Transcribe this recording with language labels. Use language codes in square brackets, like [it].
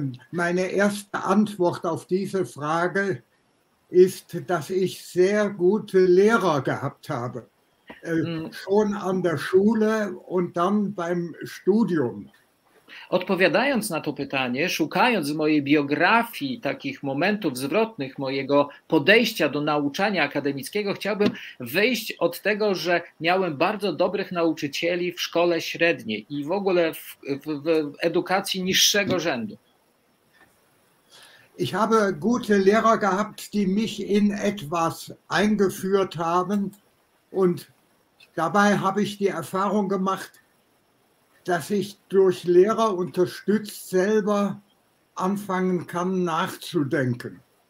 [de] Meine erste Antwort auf diese Frage ist, dass ich sehr gute Lehrer gehabt habe. Schon an der Schule und dann beim Studium. [pl] Odpowiadając na to pytanie, szukając w mojej biografii takich momentów zwrotnych mojego podejścia do nauczania akademickiego, chciałbym wyjść od tego, że miałem bardzo dobrych nauczycieli w szkole średniej i w ogóle w edukacji niższego rzędu. [de] Ich habe gute Lehrer gehabt, die mich in etwas eingeführt haben und dabei habe ich die Erfahrung gemacht, dass ich durch Lehrer unterstützt selber anfangen kann nachzudenken.